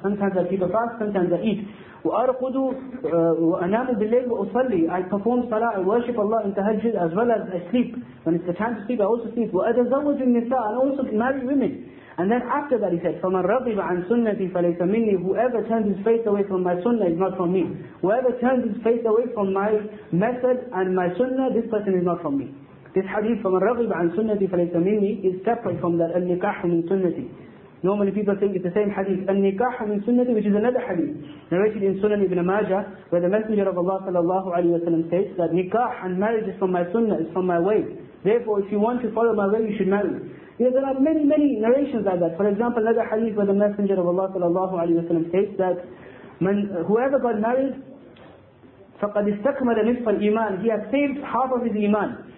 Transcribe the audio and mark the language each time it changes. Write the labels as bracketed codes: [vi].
[en] Sometimes I keep a fast, sometimes I eat. [ar] وَأَرْقُدُ وَأَنَامُ بِاللَّيْلِ وَأُصَلِّي, [en] I perform salah, I worship Allah in tahajjud as well as I sleep. When it's the time to sleep, I also sleep. [ar] وَأَتَزَوَّجُ النِّسَاءَ, [en] and I also marry women. And then after that he said, [ar] فَمَنْ رَضِبَ عَنْ سُنَّةِ فَلَيْسَ مِنِّي, [en] whoever turns his face away from my sunnah is not from me. Whoever turns his face away from my method and my sunnah, this person is not from me. This hadith, [ar] فَمَنْ رَضِبَ عَنْ سُنَّةِ فَلَيْسَ مِنِّي, [en] is separate from that, [ar] النِّكَاحُ مِنْ سُنَّةِ. [en] Normally people think it's the same hadith. [ar] An-nikah min sunnati, [en] which is another hadith narrated in Sunan Ibn Majah, where the Messenger of Allah sallallahu alayhi wa sallam states that nikah and marriage is from my sunnah, is from my way. Therefore, if you want to follow my way, you should marry. Yeah, there are many, many narrations like that. For example, another hadith where the Messenger of Allah sallallahu alayhi wa sallam states that whoever got married, [ar] فَقَدْ اِسْتَكْمَلَ نِصْفَ الْإِيمَانِ, [en] he has saved half of his iman.